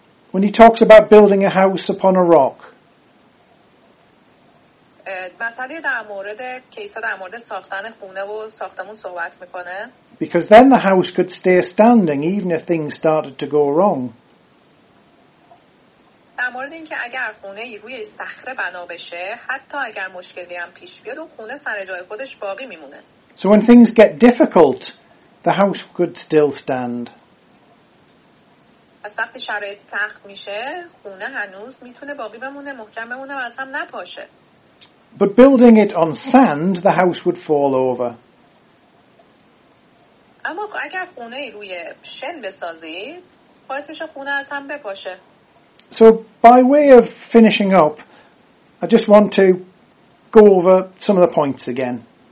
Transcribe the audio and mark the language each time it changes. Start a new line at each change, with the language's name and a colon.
English: When he talks about building a house upon a rock. Because then the house could stay standing even if things started to go wrong.
Persian: در مورد اینکه اگر خونه روی صخره بنا بشه حتی اگر مشکلی هم پیش بیاد و خونه سر جای خودش باقی میمونه.
English: So when things get difficult, the house could still stand.
Persian: از وقتی شرایط سخت میشه خونه هنوز میتونه باقی بمونه، محکم بمونه و از هم نپاشه.
English: But building it on sand, the house would fall over.
Persian: اما اگر خونه روی شن بسازی باعث میشه خونه از هم بپاشه.
English: So by way of finishing up, I just want to go over some of the points again.